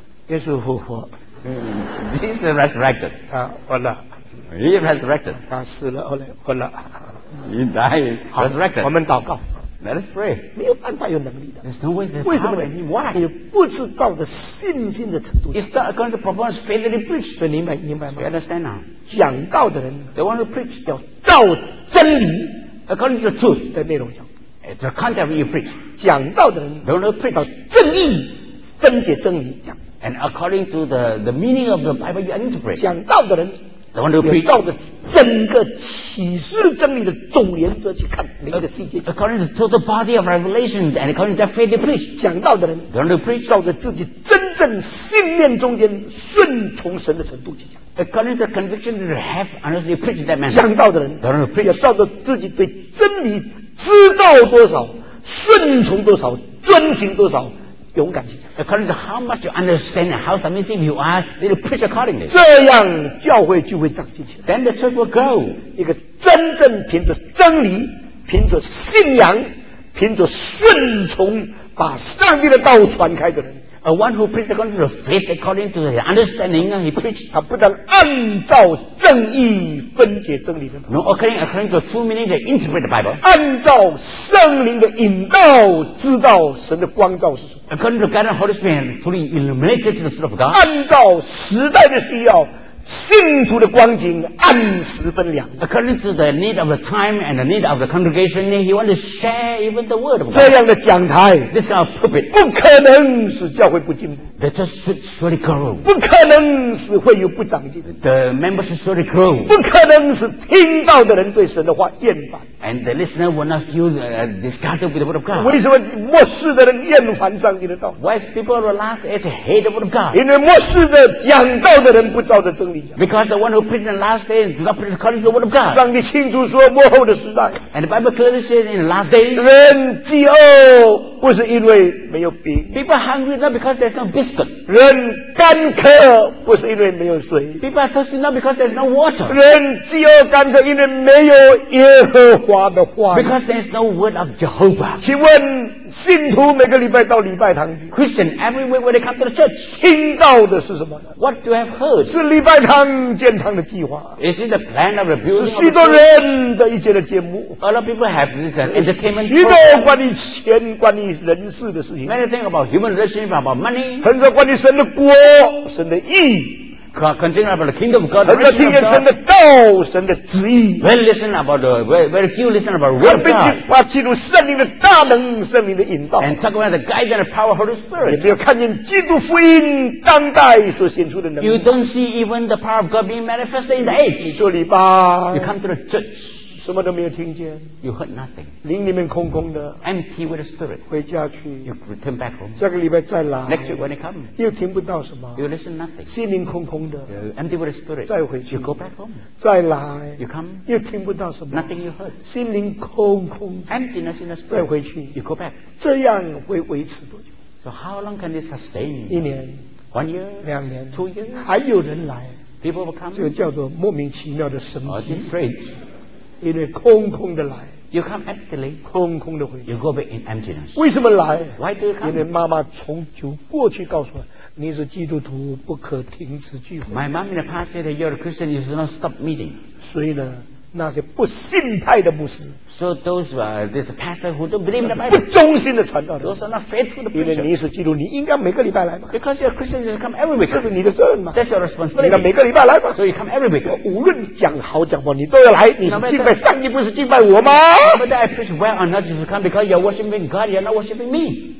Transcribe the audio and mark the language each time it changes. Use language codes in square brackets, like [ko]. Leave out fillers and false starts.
[zh] 耶稣复活。 [en] Jesus resurrected。 [zh] 啊，活了。 [en] He resurrected。 [zh] 他死了，后来活了。 [en] He died, resurrected. [zh] 我们祷告。 [en] Let us pray. [zh] 没有办法有能力的。 [en] There's no way that. [zh] 为什么呢 [en] ？Why? [zh] 你不是照着信心的程度。 [en] It's not according to proper faith that he preached. [zh] 所以明白明白吗 [en] ？You understand now? [zh] 讲道的人 [en] ，the one who preached [zh] 要照真理 [en] ，according to the truth [zh] 的内容讲。 [en] It's the content of you preach. [zh] 讲道的人 [en] ，the one who preached [zh] 要正义，分解真理讲。 [en] And according to the meaning of the Bible you interpret. [zh] 讲道的人。 [en] The one who preach， [zh] 照着整个启示真理的总原则去看每一个细节。 [en] According to the total body of revelation and according to that faith they preach， [zh] 讲道的人 [en] ，The one who preach， [zh] 照着自己真正信念中间顺从神的程度去讲。 [en] According to the conviction that they have， unless they preach that man， [zh] 讲道的人 [en] ，The one who preach， [zh] 要照着自己对真理知道多少、顺从多少、遵行多少。勇敢去讲 [en] ，according to how much you understand and how submissive you are, you preach accordingly。 [zh] 这样教会就会长进去。 [en] Then the church will grow。 [zh] 一个真正凭着真理、凭着信仰、凭着顺从，把上帝的道传开的人 [en] ，a one who preaches according to the faith, according to his understanding, and he preaches， [zh] 他不但按照正义分解真理的 [en] ，no according to true meaning to interpret the Bible， [zh] 按照圣灵的引导知道神的光照是什么。 [en] According to the guidance of the Holy Spirit, fully illuminated to the truth of God. [zh] 按照时代的需要，信徒的光景按时分量。 [en] According to the need of the time and the need of the congregation, he wants to share even the word of God. [zh] 这样的讲台 [en] this kind of pulpit, [zh] 不可能使教会不进步。 [en] That just surely grow. [zh] 不可能使会有不长进。 [en] The members surely grow. [zh] 不可能使听到的人对神的话厌烦。 [en] And the listener will not feel discarded with the word of God. [zh] 为什么末世的人厌烦上帝的道？ [en] Why people will last at the hate the word of God? [zh] 因为末世的讲道的人不照着真理讲。 [en] Because the one who preached in the last days does not preach according to the word of God. [zh] 上帝清楚说末后的时代。 [en] And the Bible clearly says in the last days. [zh] 人饥饿不是因为没有饼。 [en] People are hungry not because there's no biscuit. [zh] 人干渴不是因为没有水。 [en] People are thirsty not because there's no water. [zh] 人饥饿干渴因为没有耶和华的话。 [en] Because there's no word of Jehovah. [zh] 请问信徒每个礼拜到礼拜堂 [en] Christian every week when they come to the church [zh] 听到的是什么呢 [en] What do you have heard [zh] 是礼拜堂建堂的计划 [en] Is it the plan of the building [zh] 是许多人的一切的节目 [en] A lot of people have this entertainment [zh] 许多关于钱关于人事的事情 [en] Many things about human relationship about money [zh] 很多关于神的国神的义 [en] Continue about the kingdom of God, the religion of God. [zh] 神的道，神的旨意。 [en] Well, listen about the very few listen about the word of God. [zh] 把进入圣灵的大能，圣灵的引导。 [en] And talk about the guidance and the power of the Holy Spirit. [zh] 也没有看见基督福音当代所显出的能力。 [en] You don't see even the power of God being manifested in the age. [zh] 你做礼拜。 [en] You come to the church. [zh] 什么都没有听见。 [en] You heard nothing. [zh] 灵里面空空的。 [en] Empty with the Spirit. [zh] 回家去。 [en] You return back home. [zh] 下个礼拜再来。 [en] Next week when you come. [zh] 又听不到什么。 [en] You listen nothing. [zh] 心灵空空的。 [en] You're empty with the Spirit. [zh] 再回去。 [en] You go back home. [zh] 再来。 [en] You come. [zh] 又听不到什么。 [en] Nothing you heard. [zh] 心灵空空的。 [en] Emptiness in the Spirit. [zh] 再回去。 [en] You go back. [zh] 这样会维持多久？ [en] So how long can this sustain? [zh] 一年。 [en] One year. [zh] 两年。 [en] Two years. [zh] 还有人来。 [en] People will come. [zh] 这个叫做莫名其妙的神迹。 [en] Oh, this is strange. [zh] 因为空空的来 [en] You come emptily [zh] 空空的回去 [en] You go back in emptiness [zh] 为什么来 [en] Why do you come [zh] 因为妈妈从就过去告诉我你是基督徒不可停止聚会 [en] My mom in the past said you're a Christian you should not stop meeting [zh] 所以呢那些不信派的牧师 [en] So those who are this pastor who don't believe in the Bible [zh] 不忠心的传道人 [en] Those are not faithful the preachers [zh] 因为你是基督你应该每个礼拜来嘛 [en] Because you're a Christian you should come every week [zh] 这是你的责任嘛 [en] That's your responsibility [zh] 你应该每个礼拜来嘛 [en] So you come every week [zh] 我无论讲好讲不好你都要来你是敬拜上帝不是敬拜我吗 [en] But I preach well or not you should come because you're worshiping God you're not worshiping me